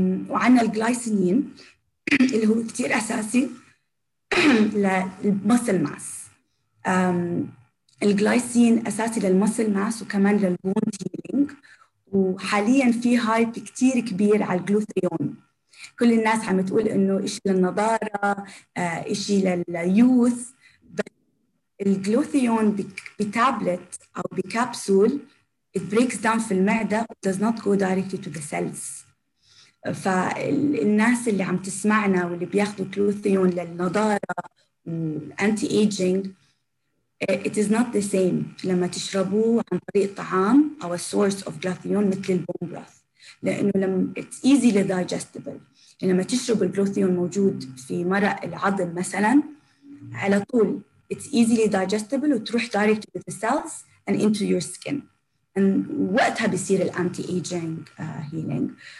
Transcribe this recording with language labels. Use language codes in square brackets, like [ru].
[ar] وعندنا الجلايسينين اللي هو كتير اساسي للمسل ماس. الجلايسين اساسي للمسل ماس وكمان للبون هيلينج، وحالياً في هايب كتير كبير على الجلوثيون. كل الناس عم تقول إنه إشي للنضارة، إشي لليوث، الجلوثيون بتابلت أو بكابسول [en] it breaks down [ar] في المعدة [en] does not go directly to the cells. [ar] فالناس اللي عم تسمعنا واللي بياخذوا جلوثيون للنضارة [en] anti aging it is not the same [ar] لما تشربوه عن طريق طعام أو [en] a source of glutathione [ar] مثل bone broth لأنه لما [en] it's easily digestible [ar] لما تشرب الجلوثيون موجود في مرق العظم مثلا على طول it's easily digestible وتروح [en] directly to the cells and into your skin and [ar] وقتها بيصير ال [en] anti aging healing.